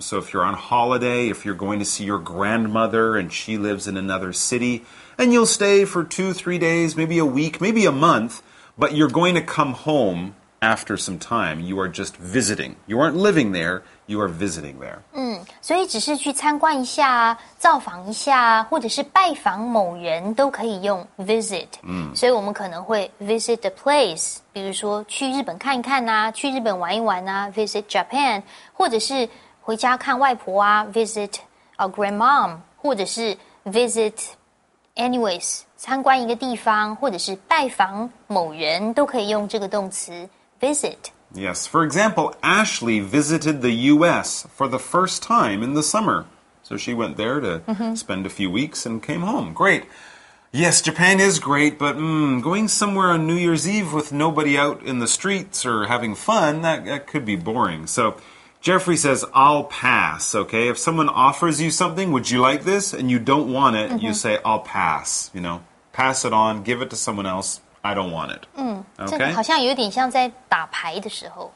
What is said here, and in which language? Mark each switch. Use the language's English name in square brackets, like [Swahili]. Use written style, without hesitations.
[English] So if you're on holiday, if you're going to see your grandmother and she lives in another city... And you'll stay for 2-3 days, maybe a week, maybe a month, but you're going to come home after some time. You are just visiting. You aren't living there, you are visiting there. [Chinese] 嗯，所以只是去参观一下，造访一下，或者是拜访某人都可以用 visit. 嗯，所以我们可能会 [English] visit a place, [Chinese] 比如说去日本看一看啊，去日本玩一玩啊， [English] visit Japan, [Chinese] 或者是回家看外婆啊， [English] visit a grandmom, [Chinese] 或者是 [English] visit... [Chinese] Anyways, 参观一个地方或者是拜访某人都可以用这个动词 visit. [English] Yes, for example, Ashley visited the U.S. for the first time in the summer. So she went there to、mm-hmm. spend a few weeks and came home. Great. Yes, Japan is great, but、going somewhere on New Year's Eve with nobody out in the streets or having fun, that could be boring. So Jeffrey says, I'll pass, okay? If someone offers you something, would you like this? And you don't want it,、mm-hmm. you say, I'll pass, you know? Pass it on, give it to someone else, I don't want it.、 Mm-hmm. Okay? [Chinese] 这好像有点像在打牌的时候。